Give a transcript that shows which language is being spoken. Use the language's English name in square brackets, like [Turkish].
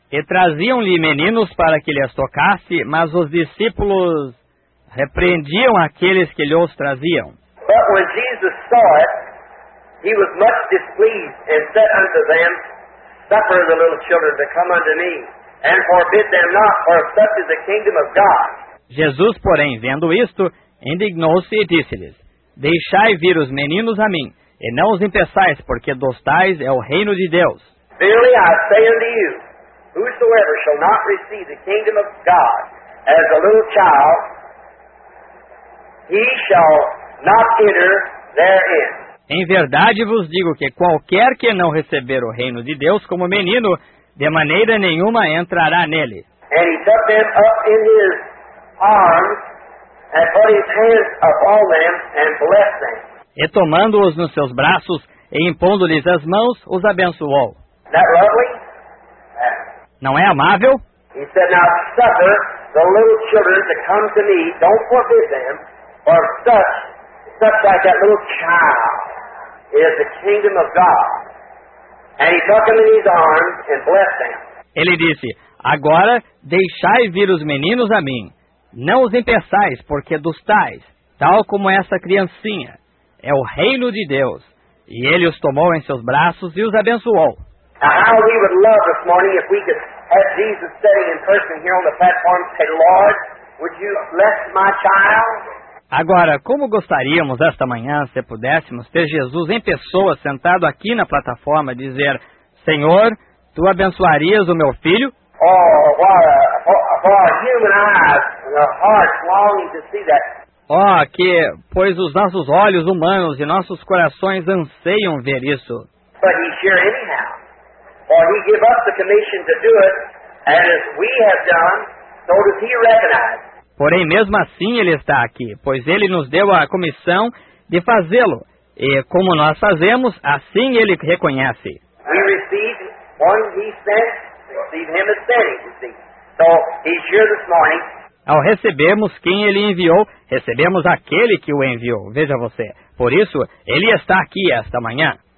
[Portuguese] E traziam-lhe meninos para que lhes tocasse, mas os discípulos repreendiam aqueles que lhes traziam. [English] But when Jesus saw it, he was much displeased, and said unto them, Suffer the little children to come unto me, and forbid them not, for such is the kingdom of God. [Portuguese] Jesus, porém, vendo isto, indignou-se e disse-lhes, Deixai vir os meninos a mim, e não os impeçais, porque dos tais é o reino de Deus. [English] Verily I say unto you, Whosoever shall not receive the kingdom of God as a little child, he shall not enter therein. [Portuguese] Em verdade vos digo que qualquer que não receber o reino de Deus como menino, de maneira nenhuma entrará nele. [English] And he took them up in his arms and put his hands upon them and blessed them. [Portuguese] E tomando-os nos seus braços e impondo-lhes as mãos, os abençoou. [English] Isn't that lovely? [Portuguese] Não é amável? [English] He said, Now suffer the little children to come to me, don't forbid them, for such like that little child is the kingdom of God. And he took them in his arms and blessed them. [Portuguese] Ele disse, Agora deixai vir os meninos a mim. Não os impeçais, porque dos tais, tal como essa criancinha, é o reino de Deus. E ele os tomou em seus braços e os abençoou. [English] How we would love this morning if we could have Jesus sitting in person here on the platform and say, Lord, would you bless my child? [Portuguese] Agora, como gostaríamos esta manhã, se pudéssemos, ter Jesus em pessoa sentado aqui na plataforma dizer, Senhor, tu abençoarias o meu filho? [English] Oh, for our human eyes, the hearts longing to see that. [Portuguese] Oh, que, pois os nossos olhos humanos e nossos corações anseiam ver isso. [English] But he's here anyhow. Or he gave us the commission to do it, and as we have done, so does he recognize. [Portuguese] Porém, mesmo assim, ele está aqui, pois ele nos deu a comissão de fazê-lo. E como nós fazemos, assim ele reconhece. [English] We receive one he sent, receive him as sent, you see. So he's here this morning. [Portuguese] Ao recebermos quem ele enviou, recebemos aquele que o enviou. Veja você. Por isso, ele está aqui esta manhã.